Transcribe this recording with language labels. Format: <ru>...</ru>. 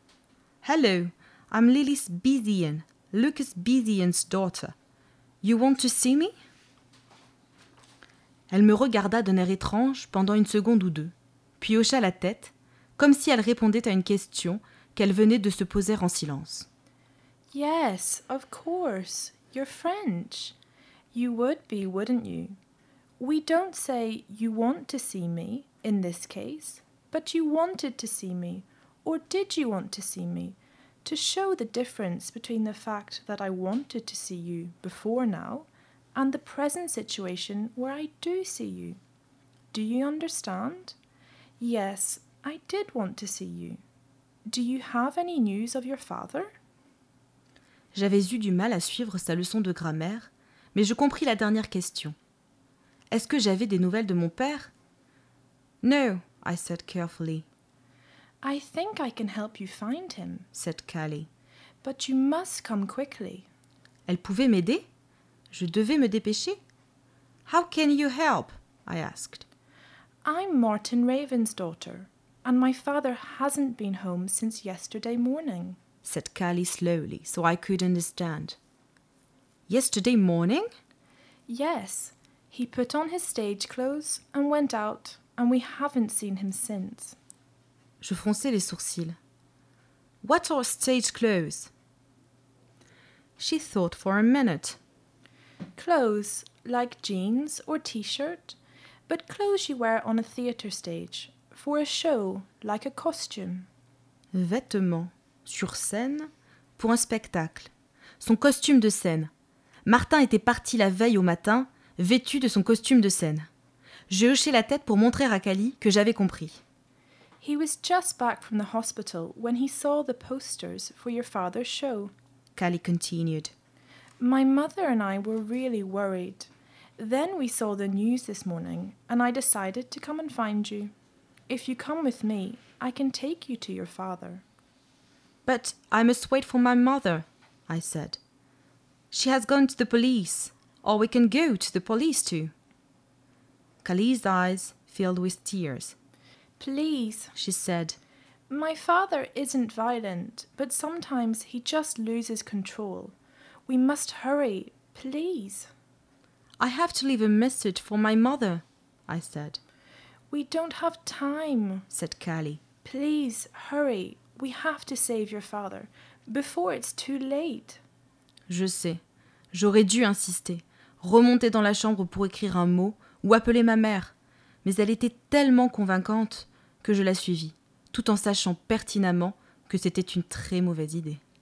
<en>« Hello, I'm Lilith Bizian, Lucas Bizian's daughter. You want to see me ?»</en> <fr>Elle me regarda d'un air étrange pendant une seconde ou deux. Puis hocha la tête, comme si elle répondait à une question qu'elle venait de se poser en silence.</fr> <en>« Yes, of course, you're French. You would be, wouldn't you? We don't say you want to see me, in this case, but you wanted to see me, or did you want to see me, to show the difference between the fact that I wanted to see you before now and the present situation where I do see you. Do you understand ?» Yes, I did want to see you. Do you have any news of your father?</en> <fr>J'avais eu du mal à suivre sa leçon de grammaire, mais je compris la dernière question. Est-ce que j'avais des nouvelles de mon père?</fr> <en>No, I said carefully. I think I can help you find him, said Callie. But you must come quickly. Elle pouvait m'aider? Je devais me dépêcher? How can you help? I asked. I'm Martin Raven's daughter, and my father hasn't been home since yesterday morning, said Callie slowly, so I could understand. Yesterday morning? Yes. He put on his stage clothes and went out, and we haven't seen him since.</en> <fr>Je fronçais les sourcils.</fr> <en>What are stage clothes? She thought for a minute. Clothes, like jeans or t-shirt? But clothes you wear on a theatre stage, for a show, like a costume.</en> <fr>Vêtements, sur scène, pour un spectacle. Son costume de scène. Martin était parti la veille au matin, vêtu de son costume de scène. J'ai hoché la tête pour montrer à Callie que j'avais compris.</fr> <en>He was just back from the hospital when he saw the posters for your father's show. Callie continued. My mother and I were really worried. Then we saw the news this morning, and I decided to come and find you. If you come with me, I can take you to your father. But I must wait for my mother, I said. She has gone to the police, or we can go to the police too. Callie's eyes filled with tears. Please, she said. My father isn't violent, but sometimes he just loses control. We must hurry, please. I have to leave a message for my mother, I said. We don't have time, said Callie. Please, hurry. We have to save your father, before it's too late.</en> <fr>Je sais. J'aurais dû insister, remonter dans la chambre pour écrire un mot ou appeler ma mère. Mais elle était tellement convaincante que je la suivis, tout en sachant pertinemment que c'était une très mauvaise idée.</fr>